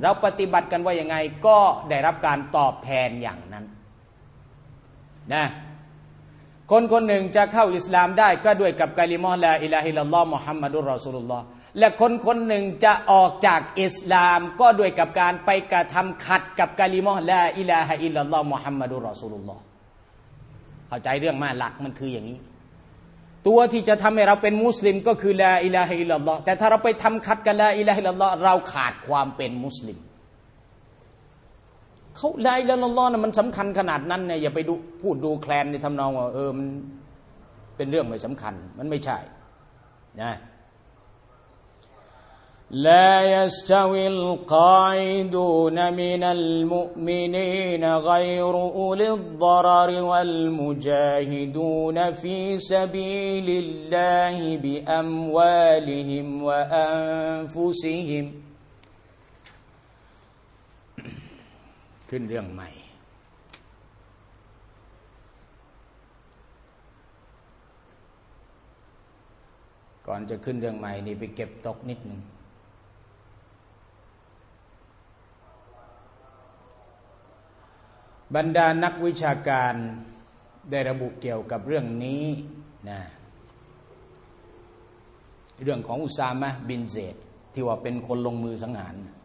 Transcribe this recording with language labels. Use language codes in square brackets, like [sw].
[th] Rao patibat kan wa yang ngai ko dai rap kan tob thaen yang nan. Nah. คนคนหนึ่งจะเข้าอิสลามได้ก็ด้วยกับกาลิมอฮ์ลาอิลาฮิลลัลลอฮ์มุฮัมมัดุรรอซูลุลลอฮ์และคนคนหนึ่งจะออกจากอิสลามก็ด้วยกับการไปกระทำขัดกับกาลิมอฮ์ลาอิลาฮะอิลลัลลอฮ์มุฮัมมัดุรรอซูลุลลอฮ์ เข้าใจเรื่องมาหลักมันคืออย่างนี้ตัวที่จะทำให้เราเป็นมุสลิมก็คือลาอิลาฮะอิลลัลลอฮ์แต่ถ้าเราไปทำขัดกับลาอิลาฮะอิลลัลลอฮ์เราขาดความเป็นมุสลิมเขาลาอิลาฮะอิลลัลลอฮ์น่ะมันสำคัญขนาดนั้นเนี่ยอย่าไปดูพูดดูแคลนในทำนองว่ามันเป็นเรื่องไม่สำคัญมันไม่ใช่นะ [ar] لا يستوي القاعدون من المؤمنين غير أولي الضرر والمجاهدون في سبيل الله بأموالهم وأنفسهم [th] ขึ้นเรื่องใหม่ก่อนจะขึ้นเรื่องใหม่นี่ไปเก็บตกนิดนึงบรรดานักวิชาการได้ระบุเกี่ยวกับเรื่องนี้นะเรื่องของอุซามะบินเซดที่ว่าเป็นคนลงมือสังหาร